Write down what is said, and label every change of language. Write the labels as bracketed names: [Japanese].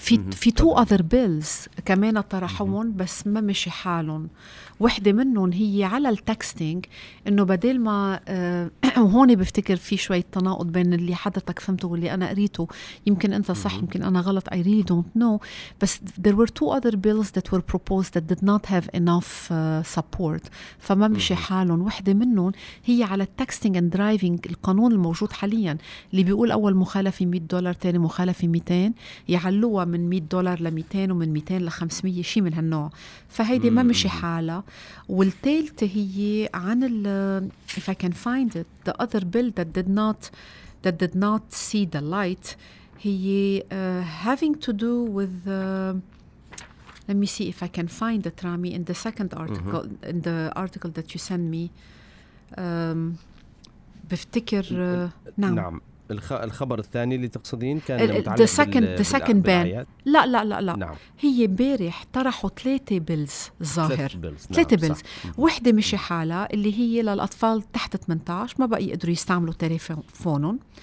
[Arabic] في [English] two other bills [Arabic] كمان طرحون بس ما مشي حالهم. واحدة منهم هي على التكستينج، انه بدل ما هون بفتكر في شوية تناقض بين اللي حضرتك فهمته واللي انا قريته، يمكن انت صح يمكن انا غلط، [English] I really don't know. بس there were two other bills that were proposed that did not have enough support، [Arabic] فما مشي حالهم. واحدة منهم هي على التكستينج [English] and driving، [Arabic] القانون الموجود حاليا اللي بيقول اول مخالفة $100 تاني مخالفة 200 يعلوها من $100 ل200 ومن 200 ل500 شيء من هالنوع، فهيدي ما مشي حالة. والثالثة هي عن ال [English] if I can find it the other bill that did not see the light هي having to do with let me see if I can find it Rami in the second article in the article that you send me [Arabic] بفتكر نعم الخبر الثاني اللي تقصدين كان [English] the second ban [Arabic] لا لا لا لا نعم. هي بارح طرحوا ثلاثة بيلز ظاهر ثلاثة بيلز وحدة مشي حالة اللي هي للأطفال تحت 18 ما بقى يقدروا يستعملوا تليفونهم.